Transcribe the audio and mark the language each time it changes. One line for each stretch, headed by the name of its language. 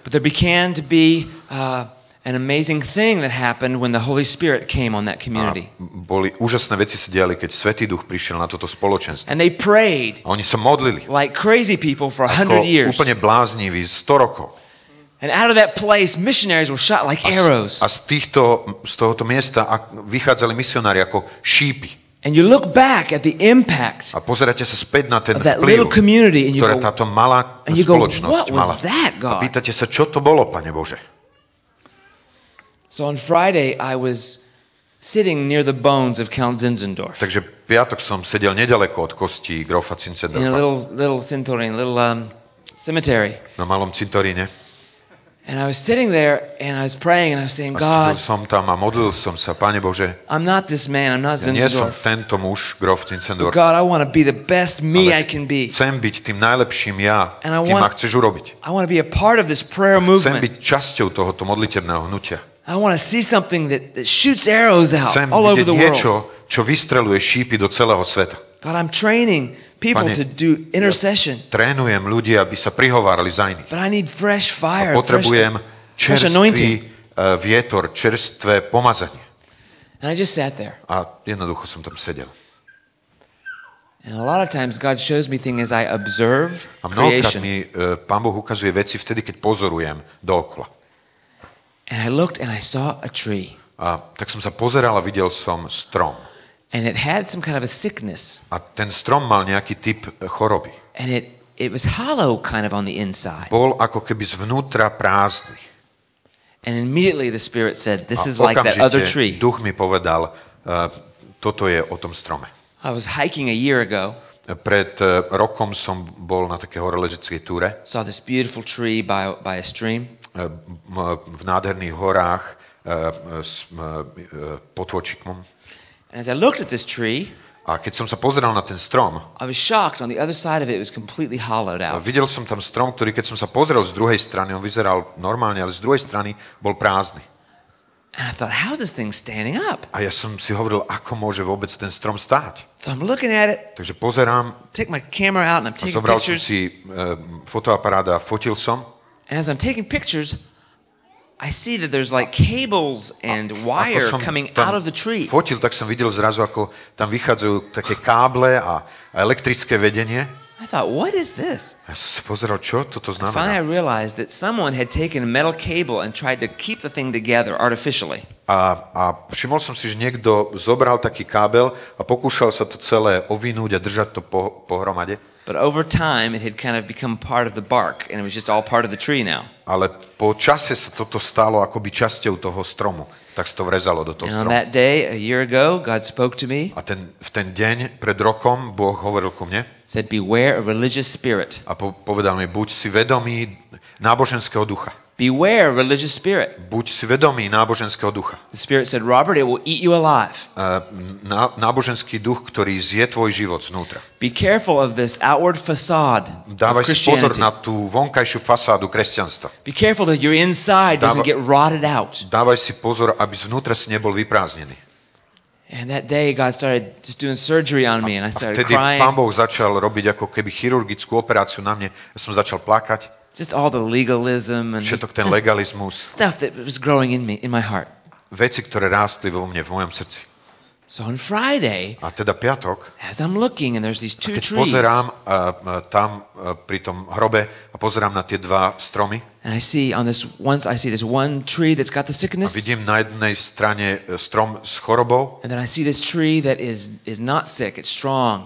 English: But there began to be an amazing thing that happened when the Holy Spirit came on that community.
Slovak: Boli úžasné veci sa diali, keď Svätý Duch prišiel na toto spoločenstvo.
English: And they prayed.
Slovak: A oni sa modlili.
English: Like crazy people for 100 years.
Slovak: Úplne blázniví 100 rokov.
English: And out of that place missionaries were shot like arrows.
Slovak: A z tohoto miesta vychádzali misionári ako šípy.
English: And you look back at the impact.
Slovak: A pozeráte sa späť na ten vplyv, ktorý táto malá spoločnosť mala. A pýtate sa, čo to bolo, Pane Bože?
English: So on Friday I was sitting near the bones of Count Zinzendorf.
Slovak: Takže piatok som sedel nedaleko od kostí grófa Zinzendorfa.
English: In a little cintorín, little cemetery.
Slovak: Na malom cintoríne.
English: And I was sitting there and I was praying and I was saying, God,
Slovak: som tam a modlil som sa, Pane Bože,
English: I'm not this man, I'm not Zinzendorf.
Slovak: Ja nie som tento muž, Grof Zinzendorf.
English: But God, I want to be the best me I can be.
Slovak: Chcem byť tým najlepším ja, kým ma chceš urobiť.
English: I want to be a part of this prayer movement.
Slovak: Chcem byť časťou tohoto modlitebného hnutia.
English: I want to see something that shoots arrows out all over the world.
Slovak: Chcem vidieť niečo, čo vystreluje šípy do celého sveta.
English: God, I'm training people to do intercession.
Slovak: Trénujem ľudí, aby sa prihovárali za iných.
English: But I need fresh fire.
Slovak: A potrebujem čerstvý vietor, čerstvé pomazanie.
English: And I just sat there.
Slovak: A jednoducho som tam sedel.
English: And a lot of times God shows me things as I observe creation.
Slovak: A mnohokrát mi Pán Boh ukazuje veci vtedy, keď pozorujem dookola.
English: And I looked and I saw a tree.
Slovak: A tak som sa pozeral a videl som strom.
English: And it had some kind of a sickness.
Slovak: A ten strom mal nejaký typ choroby.
English: And it was hollow kind of on the inside.
Slovak: Bol ako keby zvnútra prázdny.
English: And immediately the spirit said, this is like that other tree.
Slovak: Duch mi povedal, toto je o tom strome.
English: I was hiking a year ago.
Slovak: Pred rokom som bol na takej horolezeckej túre.
English: Saw this beautiful tree by a stream.
Slovak: V nádherných horách s potôčikom.
English: As I looked at this tree,
Slovak: a keď som sa pozeral na ten strom,
English: I was shocked on the other side of it was completely hollowed out.
Slovak: Videl som tam strom, ktorý keď som sa pozeral z druhej strany, on vyzeral normálne, ale z druhej strany bol prázdny.
English: And I thought, how is this thing standing up?
Slovak: A ja som si hovoril, ako môže vôbec ten strom stáť?
English: So I'm looking at it.
Slovak: Takže pozerám.
English: Take my camera out and I'm taking pictures.
Slovak: A zobral som si fotoaparát a fotil som.
English: And as I'm taking pictures, I see that there's like cables and wire coming out of the tree.
Slovak: Fotil, tak som videl zrazu, ako tam vychádzajú také káble a elektrické vedenie.
English: I thought, what is this?
Slovak: Ja som si pozeral, čo toto znamená.
English: And finally I realized that someone had taken a metal cable and tried to keep the thing together artificially.
Slovak: A všimol som si, že niekto zobral taký kábel a pokúšal sa to celé ovinúť a držať to pohromade.
English: But over time it had kind of become part of the bark and it was just all part of the tree now.
Slovak: Ale po čase sa toto stalo akoby časťou toho stromu. Tak sa to vrezalo do toho stromu.
English: And on that day, a year ago, God spoke to me.
Slovak: A ten, v ten deň pred rokom Boh hovoril ku mne.
English: Said, beware of religious spirit.
Slovak: A povedal mi, buď si vedomý náboženského ducha.
English: Beware of religious spirit.
Slovak: Buď si vedomý náboženského ducha.
English: The spirit said, Robert, it will eat you alive.
Slovak: Náboženský duch, ktorý zje tvoj život znútra.
English: Be careful of this outward facade.
Slovak: Dávaj si pozor na tú vonkajšiu fasádu kresťanstva.
English: Be careful that your inside doesn't get rotted out.
Slovak: Dávaj si pozor, aby zvnútra si nebol vyprázdnený.
English: And that day God started just doing surgery on me and I started crying.
Slovak: A vtedy Pán Boh začal robiť ako keby chirurgickú operáciu na mne. Ja som začal plakať.
English: Just all the legalism and
Slovak: všetok ten legalizmus.
English: Stuff that was growing in me, in my heart.
Slovak: Veci, ktoré rástli vo mne, v mojom srdci.
English: So on Friday,
Slovak: a teda piatok,
English: as I'm looking and there's these two trees,
Slovak: pozerám tam pri tom hrobe a pozerám na tie dva stromy.
English: And I see on this once I see this one tree that's got the sickness.
Slovak: A vidím na jednej strane strom s chorobou.
English: And then I see this tree that is not sick, it's strong.